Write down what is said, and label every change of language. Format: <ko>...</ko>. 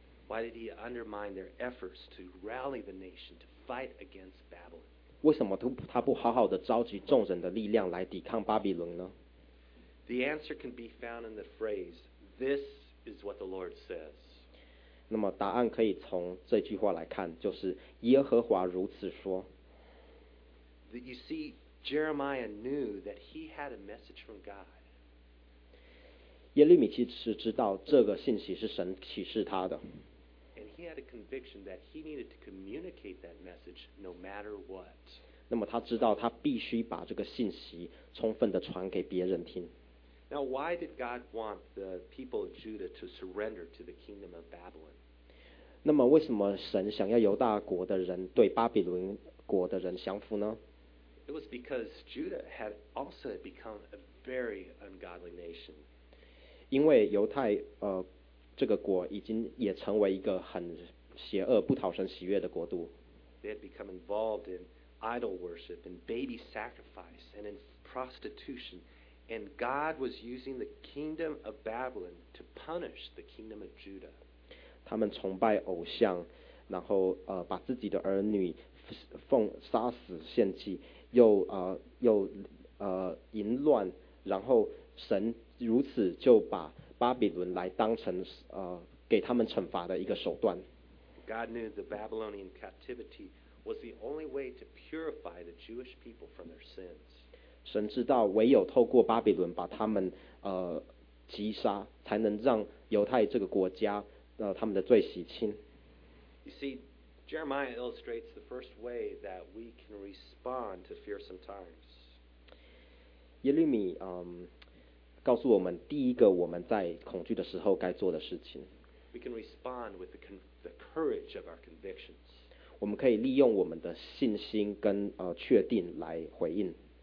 <en>Why did he undermine their efforts to rally the nation to fight against Babylon?</en> <zh>为什么他不好好的召集众人的力量来抵抗巴比伦呢？</zh> <en>The answer can be found in the phrase, "This is what the Lord says."</en> <zh>那么答案可以从这句话来看，就是耶和华如此说。</zh> <en>You see, Jeremiah knew that he had a message from God.</en> <zh>耶利米其实知道这个信息是神启示他的。</zh> <en>He had a conviction that he needed to communicate that message no matter what.</en> <zh>那么他知道他必须把这个信息充分地传给别人听。</zh> <en>Now, why did God want the people of Judah to surrender to the kingdom of Babylon?</en> <zh>那么为什么神想要犹大国的人对巴比伦国的人降服呢？</zh> <en>It was because Judah had also become a very ungodly nation.</en> <zh>因为犹太这个国已经也成为一个很邪恶不讨神喜悦的国度。</zh> <en>They had become involved in idol worship and baby sacrifice and in prostitution, and God was using the kingdom of Babylon to punish the kingdom of Judah.</en> <zh>他们崇拜偶像，然后把自己的儿女奉杀死献祭，又淫乱，然后神如此就把巴比伦来当成给他们惩罚的一个手段。</zh> <en>God knew the Babylonian captivity was the only way to purify the Jewish people from their sins.</en> <zh>神知道唯有透过巴比伦把他们击杀，才能让犹太这个国家他们的罪洗清。</zh> <en>You see, Jeremiah illustrates the first way that we can respond to fearsome times.</en> <zh>耶利米告诉我们第一个我们在恐惧的时候该做的事情。</zh> <en>We can respond with the courage of our convictions.</en> <zh>我们可以利用我们的信心跟确定来回应。</zh>